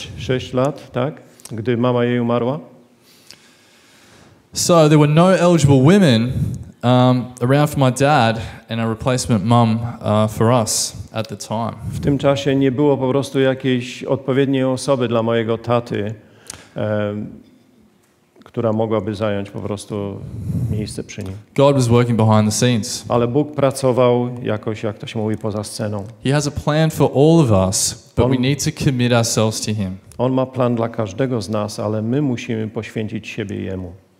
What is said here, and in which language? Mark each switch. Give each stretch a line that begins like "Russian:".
Polish: 6 lat, tak, gdy mama jej umarła.
English: So there were no eligible women around for my dad and a replacement mum for us at the time.
Polish: W tym czasie nie było po prostu jakiejś odpowiedniej osoby dla mojego taty, która mogłaby zająć po prostu miejsce przy nim.
English: God was working behind the scenes.
Polish: Ale Bóg pracował jakoś, jak to się mówi, poza sceną.
English: He has a plan for all of us, but we need to commit ourselves to him.
Polish: On ma plan dla każdego z nas, ale my musimy poświęcić siebie jemu.